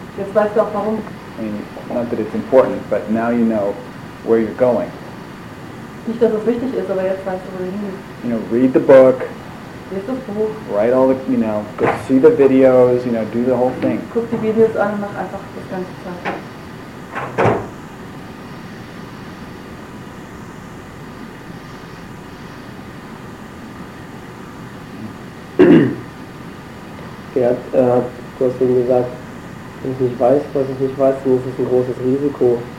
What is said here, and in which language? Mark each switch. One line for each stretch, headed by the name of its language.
English: Not that it's important, but now you know where you're going.
German: Nicht, dass es wichtig ist, aber jetzt weißt du, wo du hingehst.
English: You know, read the book,
German: Lies das Buch.
English: Write all the, you know, go see the videos, you know, do the whole thing.
German: Guck die Videos an und mach einfach das ganze Zeug. Gerd, du hast eben gesagt, wenn ich nicht weiß, was ich nicht weiß, dann ist es ein großes Risiko.